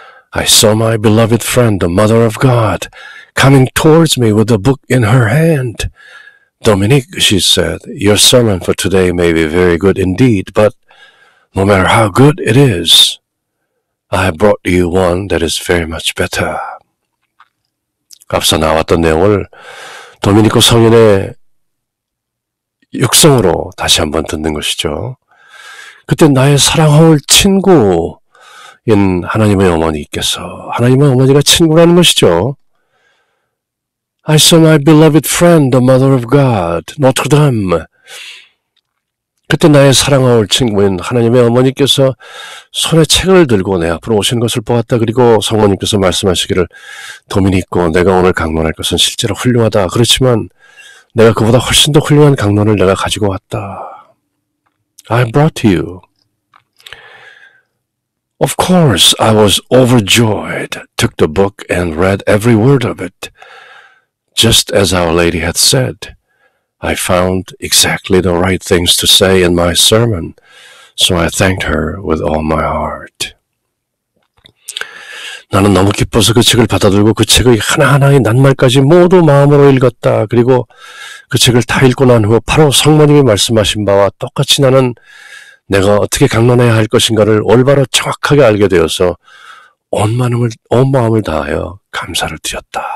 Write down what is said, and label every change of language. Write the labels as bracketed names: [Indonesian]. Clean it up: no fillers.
[English] I saw my beloved friend, the mother of God, coming towards me with a book in her hand. Dominique, she said, your sermon for today may be very good indeed, but no matter how good it is, I have brought you one that is very much better. [Korean] 앞서 나왔던 내용을 도미니코 성인의 육성으로 다시 한번 듣는 것이죠. 그때 나의 사랑하는 친구인 하나님의 어머니께서 하나님의 어머니가 친구라는 것이죠. [English] I saw my beloved friend, the mother of God, Notre Dame. [Korean] 그때 나의 사랑하는 친구인 하나님의 어머니께서 손에 책을 들고 내 앞으로 오시는 것을 보았다. 그리고 성모님께서 말씀하시기를 도미니코, 내가 오늘 강론할 것은 실제로 훌륭하다. 그렇지만 내가 그보다 훨씬 더 훌륭한 강론을 내가 가지고 왔다. [English] I brought to you. Of course, I was overjoyed, took the book and read every word of it. Just as Our Lady had said, I found exactly the right things to say in my sermon, so I thanked her with all my heart. [Korean] 나는 너무 기뻐서 그 책을 받아들고 그 책의 하나하나의 낱말까지 모두 마음으로 읽었다. 그리고 그 책을 다 읽고 난 후 바로 성모님이 말씀하신 바와 똑같이 나는 내가 어떻게 강론해야 할 것인가를 올바로 정확하게 알게 되어서 온 마음을 다하여 감사를 드렸다.